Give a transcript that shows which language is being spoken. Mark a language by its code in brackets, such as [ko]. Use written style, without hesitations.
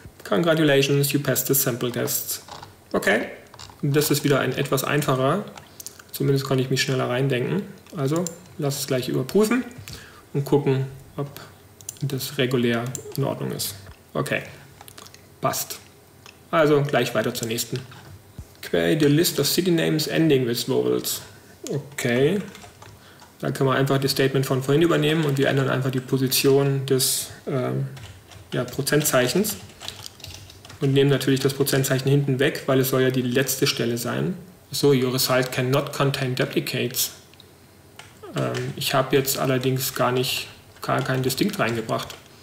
[en] Congratulations, you passed the sample test. [de] Okay, das ist wieder ein etwas einfacher. Zumindest konnte ich mich schneller reindenken. Also, lass es gleich überprüfen und gucken, ob das regulär in Ordnung ist. Okay, passt. Also, gleich weiter zur nächsten. [en] Query the list of city names ending with vowels. [de] Okay, dann können wir einfach das Statement von vorhin übernehmen und wir ändern einfach die Position des Prozentzeichens. Und nehmen natürlich das Prozentzeichen hinten weg, weil es soll ja die letzte Stelle sein. [en] So, your result cannot contain duplicates. [de] Ich habe jetzt allerdings gar kein Distinct reingebracht.